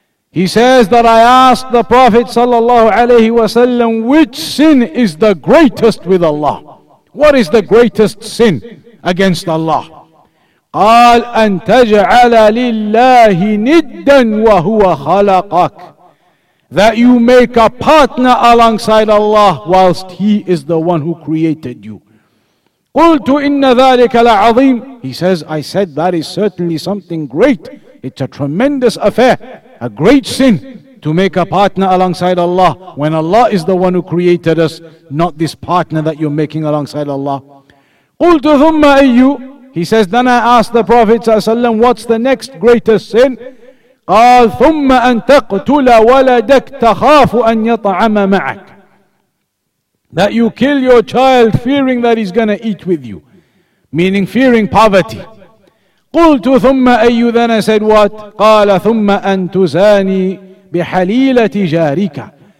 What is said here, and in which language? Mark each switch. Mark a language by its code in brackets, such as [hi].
[en] He says that I asked the Prophet صلى الله عليه وسلم, which sin is the greatest with Allah? What is the greatest sin against Allah? [ar] قال أن تجعل لله ندا وهو خلقك. [en] That you make a partner alongside Allah whilst He is the one who created you. [ar] قلت إن ذلك لعظيم. [en] He says, I said, that is certainly something great. It's a tremendous affair, a great sin to make a partner alongside Allah when Allah is the one who created us, not this partner that you're making alongside Allah. [ar] قلت ثم أي. [en] He says, then I asked the Prophet ﷺ, what's the next greatest sin? [ar] قال ثم أن تقتل ولدك تخاف أن يطعم معك. [en] That you kill your child fearing that he's going to eat with you. Meaning fearing poverty. [ar] قلت ثم أي. [en] Then I said, what? [ar] قال ثم أن تزاني بحليلة جارك.